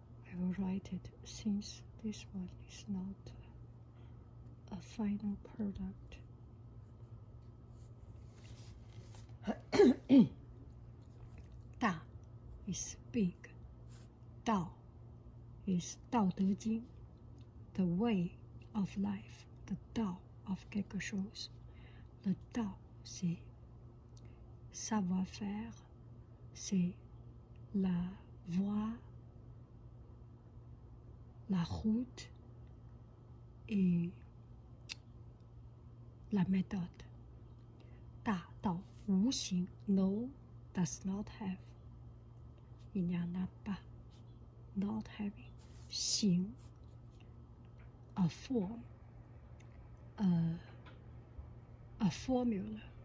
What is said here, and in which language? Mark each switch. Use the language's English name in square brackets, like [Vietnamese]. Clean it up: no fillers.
[English] I will write it since this one is not a final product. Da is big. Dao is Dao De Jing, the way of life, the Dao of Gekoshos, the Dao. [French] C'est savoir-faire, c'est la voie, la route et la méthode. [English] Da, dao, wu xing, no, does not have. [French] Il n'y en a pas. [English] Not having. Xing, a form, a formula.